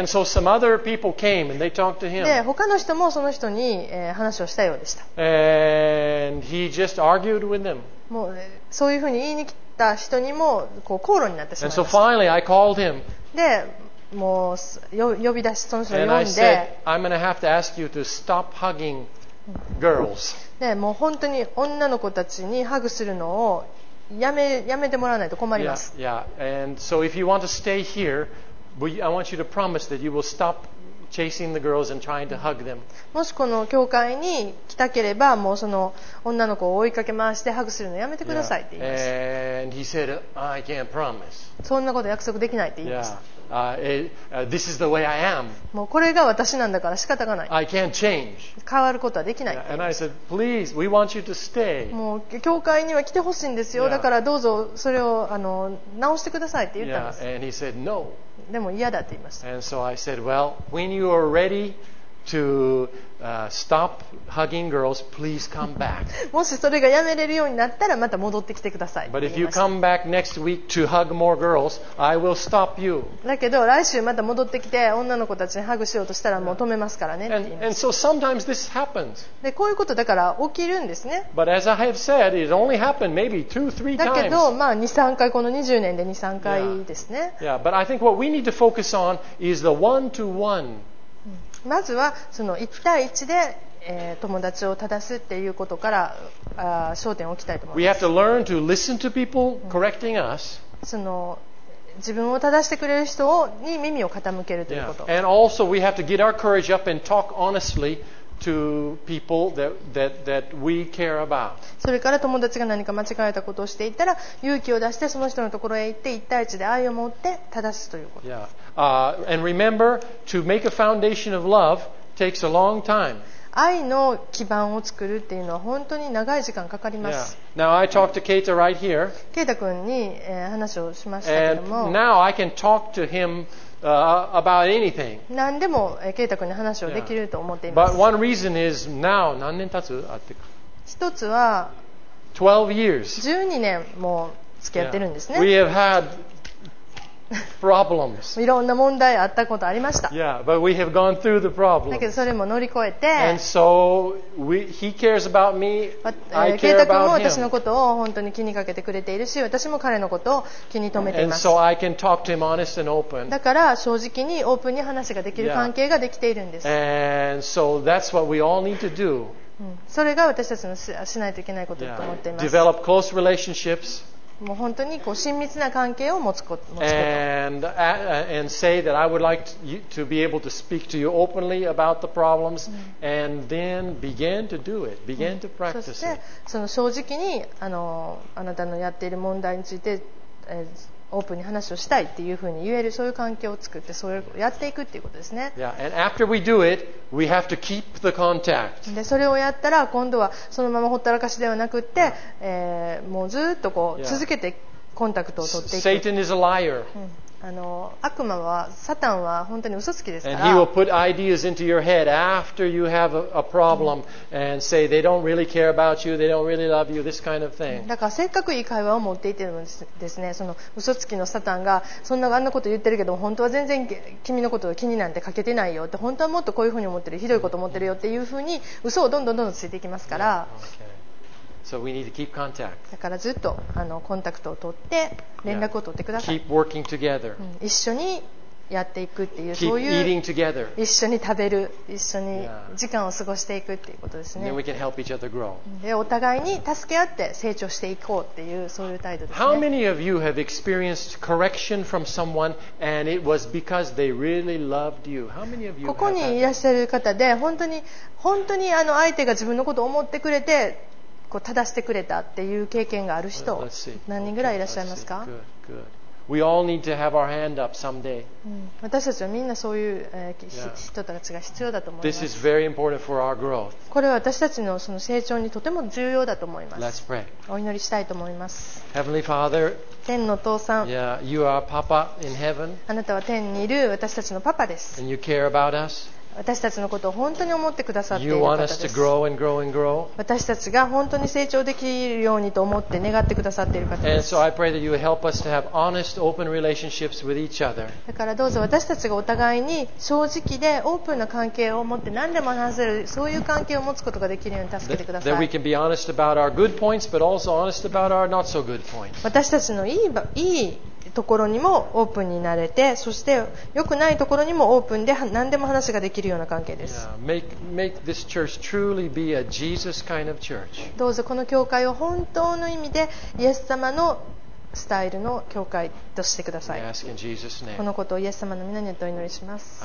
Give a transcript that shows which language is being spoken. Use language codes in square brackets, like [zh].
[en] And so some other people came and they talked to him. [ja] で、他の人もその人に、話をしたようでした。 [en] And he just argued with them. [ja] もう、そういうふうに言いに来た人にもこう口論になってしまいました。 [en] And so finally I called him. [ja] で、もう呼び出しその人を呼んで。 [en] And I said, I'm going to have to ask you to stop hugging girls. [ja] で、もう本当に女の子たちにハグするのをやめてもらわないと困ります。 [en] Yeah, yeah. And so if you want to stay here, I want you to promise that you will stop chasing the girls and trying to hug them. [ja] もしこの教会に来たければ、もうその女の子を追いかけ回してハグするのやめてくださいって言いました。 [en] Yeah. And he said, I can't promise. [ja] そんなこと約束できないって言いました。 [en] Yeah. This is the way I am. [ja] もうこれが私なんだから仕方がない。 [en] I can't change. [ja] 変わることはできない。 [en] And I said, please, we want you to stay. [ja] もう教会には来てほしいんですよ。 [en] Yeah. [ja] だからどうぞそれを直してくださいって言ったんです。 [en] Yeah. And he said, no. [ja] でも嫌だって言いました。 [en] And so I said, well, when you are ready to stop hugging girls, please come back. [ja] もしそれがやめれるようになったらまた戻ってきてください。 [en] But if you come back next week to hug more girls, I will stop you. [ja] だけど来週また戻ってきて女の子たちにハグしようとしたらもう止めますからね。 [en] And so sometimes this happens. [ja] でこういうことだから起きるんですね。 [en] But as I have said, it only happened maybe two, three times. [ja] だけどまあ2、3回この20年で2、3回ですね。 [en] Yeah. Yeah. But I think what we need to focus on is the one-to-one. [ja] まずはその1対1で友達を正すっていうことから焦点を置きたいと思います。 [en] We have to learn to listen to people correcting us. [ja] その自分を正してくれる人に耳を傾けるということ。 [en] And also we have to get our courage up and talk honestly. To people that we care about. [ja] それから友達が何か間違えたことをしていたら勇気を出してその人のところへ行って一対一で愛を持って正すということ。 [en] Yeah. And remember, to make a foundation of love takes a long time. [ja] 愛の基盤を作るっていうのは本当に長い時間かかります。 [en] Yeah. Now I talked to Keita right here. [ja] ケイタ君に話をしましたけども。 [en] And now I can talk to him. About anything. [ja] 何でも、ケイタ君に話をできると思っています。 [en] But one reason is now, [ja] 何年経つ？あって。一つは、 [en] 12 years. [ja] 12年も付き合ってるんですね。 [en] Yeah. We have had problems. [ja] いろんな問題あったことありました。 [en] Yeah, but we have gone through the problems. [ja] だけどそれも乗り越えて。 [en] And so he cares about me. I care about him. [ja] ケイタ君も私のことを本当に気にかけてくれているし、私も彼のことを気に留めています。 [en] And so I can talk to him honest and open. [ja] だから正直にオープンに話ができる関係ができているんです。 [en] And so that's what we all need to do. [ja] それが私たちのしないといけないことだと思っています。 [en] Develop close relationships. [ja] もう本当にこう親密な関係を持つこと。 [en] And say that I would like to be able to speak to you openly about the problems, and then begin to do it, begin to practice it. [ja] そしてその正直にあなたのやっている問題について、オープンに話をしたいっていうふうに言えるそういう環境を作ってそれをやっていくっていうことですね。 [en] Yeah, and after we do it, we have to keep the contact. [ja] でそれをやったら今度はそのままほったらかしではなくって、もうずっとこう続けてコンタクトを取っていく。 [en] Satan is a liar. [ja] 悪魔はサタンは本当に嘘つきですから。 [en] And he will put ideas into your head after you have a problem and say they don't really care about you, they don't really love you, this kind of thing. [ja] だからせっかくいい会話を持っていてもですね、その嘘つきのサタンがそんなあんなこと言ってるけど本当は全然君のことを気になんてかけてないよって本当はもっとこういうふうに思ってるひどいこと思ってるよっていうふうに嘘をどんどんどんどんついていきますから。 [en] So we need to keep contact. [ja] だからずっとコンタクトを取って連絡を取ってください。 [en] Keep working together. [ja] 一緒にやっていくっていう、 [en] keep、 [ja] そういう [en] eating together. [ja] 一緒に食べる、一緒に時間を過ごしていくっていうことですね。 [en] Then we can help each other grow. [ja] でお互いに助け合って成長していこうっていうそういう態度ですね。 [en] How many of you have experienced correction from someone and it was because they really loved you? How many of you? [ja] ここにいらっしゃる方で本当に相手が自分のことを思ってくれて。こう正してくれたっていう経験がある人何人ぐらいいらっしゃいますか？ [en] We all need to have our hand up someday. [ja] 私たちはみんなそういう、人たちが必要だと思います。 [en] This is very important for our growth. [ja] これは私たちのその成長にとても重要だと思います。 [en] Let's pray. [ja] お祈りしたいと思います。 [en] Heavenly Father. [ja] 天の父さん。 [en] Yeah, you are Papa in heaven. [ja] あなたは天にいる私たちのパパです。 [en] And you care about us. [ja] 私たちのことを本当に思ってくださっている方です。私たちが本当に成長できるようにと思って願ってくださっている方です。 [en] Honest, [ja] だからどうぞ私たちがお互いに正直でオープンな関係を持って何でも話せるそういう関係を持つことができるように助けてください。 [en] That we can be honest about our good points, but also honest about our not so good points. [ja] 私たちのいいところにもオープンになれて、そして良くないところにもオープンで何でも話ができるような関係です。 [en] Make this church truly be a Jesus kind of church. [ja] どうぞこの教会を本当の意味でイエス様のスタイルの教会としてください。 [en] We ask in Jesus' name. [ja] このことをイエス様の皆によってお祈りします。